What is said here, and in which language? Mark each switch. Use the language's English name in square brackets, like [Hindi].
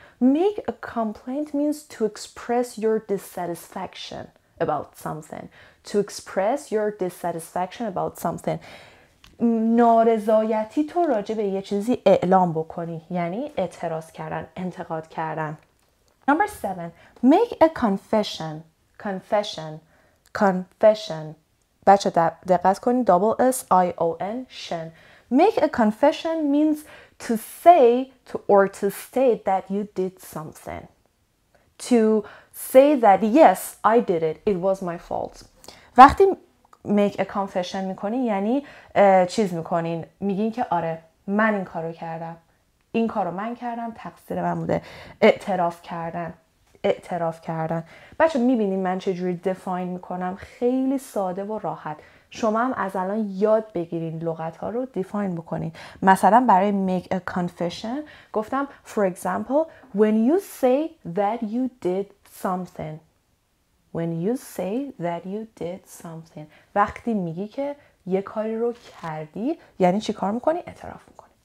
[English] Make a complaint means to express your dissatisfaction about something. To express your dissatisfaction about something. [Persian] نارضایتی تو راجع به یه چیزی اعلام بکنی. یعنی اعتراض کردن، انتقاد کردن. [English] Number 7, make a confession. Confession. Confession. [Persian] بچه دقت کنید. [English] Double S, I, O, N, Shen. Make a confession means to say to or to state that you did something. To say that, yes, I did it. It was my fault. [Persian] وقتی make a confession میکنین یعنی چیز میکنین. میگین که آره من این کارو کردم. این کارو من کردم. تقصیر من بوده. اعتراف کردن. اعتراف کردن. بچه میبینین من چجوری define میکنم. خیلی ساده و راحت. شما هم از الان یاد بگیرین لغت ها رو define بکنین. مثلا برای [English] make a confession [Persian] گفتم [English] for example when you say that you did something. When you say that you did something. [Persian] وقتی میگی که یه کاری رو کردی یعنی چی کار میکنی؟ اعتراف میکنی.